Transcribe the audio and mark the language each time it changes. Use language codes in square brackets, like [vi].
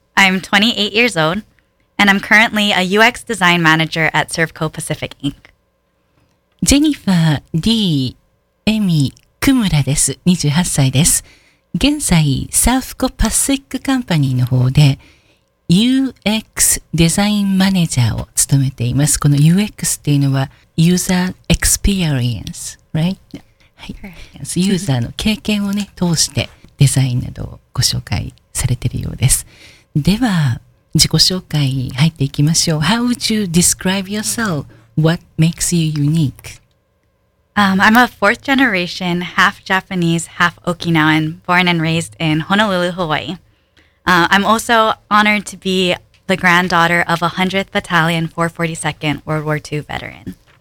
[en] I'm 28 years old, and I'm currently a UX design manager at Servco Pacific Inc. Jennifer D. [ja] Emmy Kumura です。 28歳です。現在、Servco Pacific Company の方で UX デザインマネージャーを務めています。この UX っていうのは [en] User Experience, right? [ja] はい、ユーザーの経験をね通してデザインなどをご紹介されているようです。では自己紹介入っていきましょう。 [en] How would you describe yourself? What makes you unique?、 I'm a fourth generation, half Japanese, half Okinawan, born and raised in Honolulu, Hawaii.、I'm also honored to be the granddaughter of 100th Battalion, 442nd World War II veteran.